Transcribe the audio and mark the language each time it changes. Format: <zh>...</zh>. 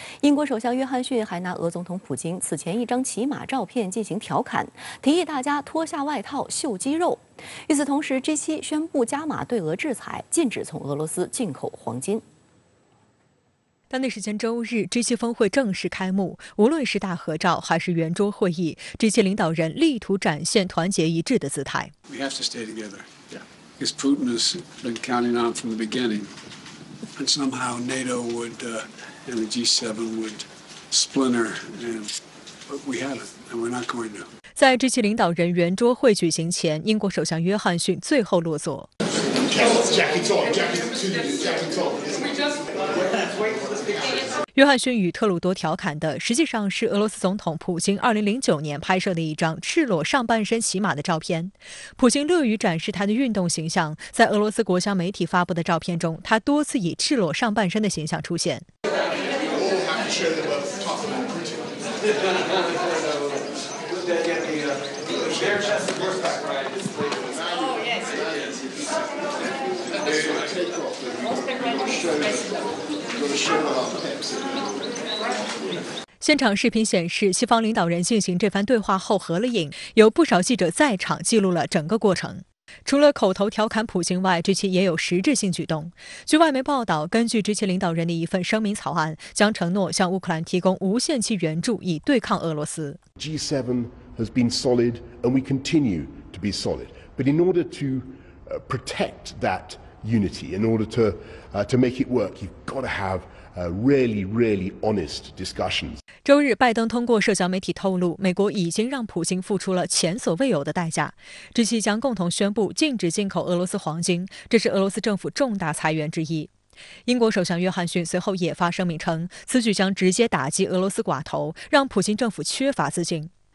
<zh>英国首相约翰逊还拿俄总统普京此前一张骑马照片进行调侃，提议大家脱下外套秀肌肉。与此同时 ，G7 宣布加码对俄制裁，禁止从俄罗斯进口黄金。当地时间周日 ，G7 峰会正式开幕。无论是大合照还是圆桌会议 ，G7 领导人力图展现团结一致的姿态。</zh> <en>We have to stay together, because Putin has been counting on from the beginning, and somehow NATO would and the G7 would splinter, and but we haven't, and we're not going to.</en> <zh>在 G7 领导人圆桌会举行前，英国首相约翰逊最后落座。约翰逊与特鲁多调侃的，实际上是俄罗斯总统普京2009年拍摄的一张赤裸上半身骑马的照片。普京乐于展示他的运动形象，在俄罗斯国家媒体发布的照片中，他多次以赤裸上半身的形象出现。现场视频显示，西方领导人进行这番对话后合了影，有不少记者在场记录了整个过程。除了口头调侃普京外，G7也有实质性举动。据外媒报道，根据G7领导人的一份声明草案，将承诺向乌克兰提供无限期援助，以对抗俄罗斯。</zh> <en>G7 has been solid, and we continue to be solid. But in order to protect that unity, in order to make it work, you've got to have really, really honest discussions.</en> <zh>周日，拜登通过社交媒体透露，美国已经让普京付出了前所未有的代价。 G7将共同宣布禁止进口俄罗斯黄金，这是俄罗斯政府重大裁员之一。英国首相约翰逊随后也发声明称，此举将直接打击俄罗斯寡头，让普京政府缺乏资金。</zh>